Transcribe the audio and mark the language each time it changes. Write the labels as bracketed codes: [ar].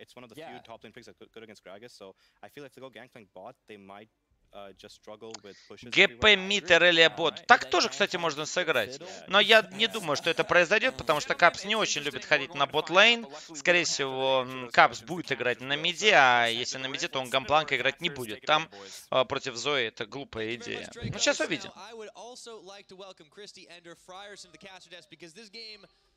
[en] It's one of the few top lane picks that good against Gragas, so I feel like if they go gangplank bot, they might just struggle with pushes. GP mid early bot. [ru] Так тоже, кстати, можно сыграть. Но я не думаю, что это произойдет, потому что Капс не очень любит ходить на ботлейн. Скорее всего, Капс будет играть на миде, а если на миде, то он гампланка играть не будет. Там против Зои это глупая идея. Ну, сейчас увидим. [en] I would also like to welcome Christy Ender Friars of the Caster Desk, because this game.